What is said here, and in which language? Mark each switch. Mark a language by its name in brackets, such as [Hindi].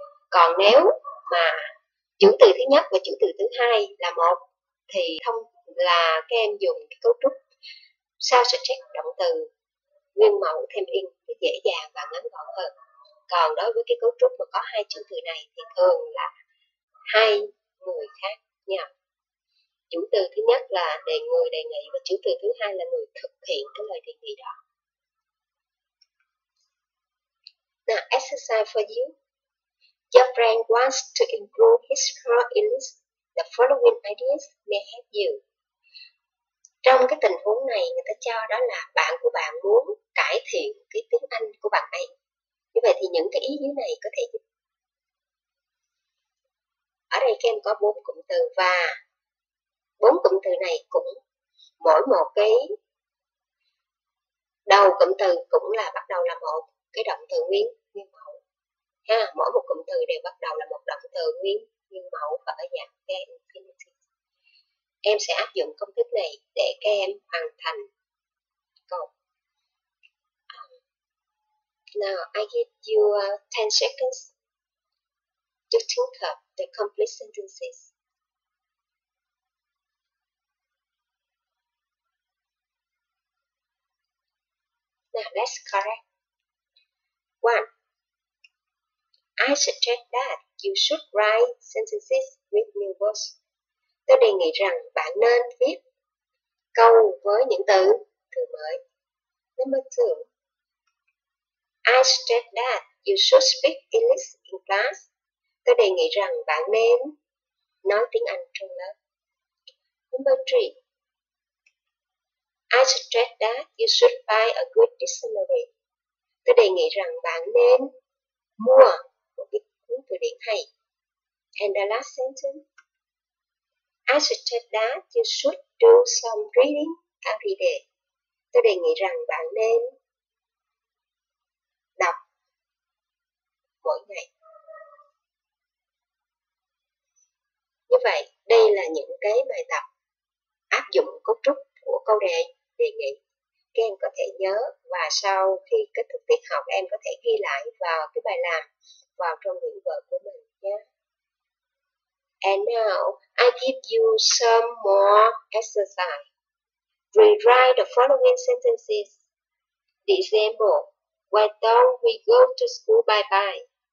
[Vietnamese] Còn nếu mà chữ từ thứ nhất và chữ từ thứ hai là một thì thông là các em dùng cái cấu trúc sao suggest động từ nguyên mẫu thêm in dễ dàng và ngắn gọn hơn. Còn đối với cái cấu trúc mà có hai chữ từ này thì thường là hai người khác nhau. Chữ từ thứ nhất là đề người đề nghị và chữ từ thứ hai là người thực hiện cái lời đề nghị đó. [English] Now exercise for you. Your friend wants to improve his or her English. The following ideas may help you. [Vietnamese] Trong cái tình huống này, người ta cho đó là bạn của bạn muốn cải thiện cái tiếng Anh của bạn ấy. Như vậy thì những cái ý dưới này có thể giúp. Ở đây các em có 4 cụm từ và 4 cụm từ này cũng mỗi một cái đầu cụm từ cũng là bắt đầu là một cái động từ nguyên. Ha, mỗi một cụm từ đều bắt đầu là một động từ nguyên nguyên mẫu và ở dạng bare infinity. Em sẽ áp dụng công thức này để các em hoàn thành câu. [English] Now I give you 10 seconds to think of the complete sentences. Now let's correct. One. I suggest that you should write sentences with new words. [Vietnamese] Tôi đề nghị rằng bạn nên viết câu với những từ từ mới. [English] Number 2. I suggest that you should speak English in class. [Vietnamese] Tôi đề nghị rằng bạn nên nói tiếng Anh trong lớp. [English] Number 3. I suggest that you should buy a good dictionary. [Vietnamese] Tôi đề nghị rằng bạn nên mua từ điển hay. [English] And the last sentence. I suggest that you should do some reading every day. [Vietnamese] Tôi đề nghị rằng bạn nên đọc mỗi ngày. Như vậy, đây là những cái bài tập áp dụng cấu trúc của câu đề nghị. Các em có thể nhớ và sau khi kết thúc tiết học em có thể ghi lại vào cái bài làm vào trong quyển vở của mình nhé. [English] And now I give you some more exercise. Rewrite the following sentences. December, why don't we go to school bye-bye?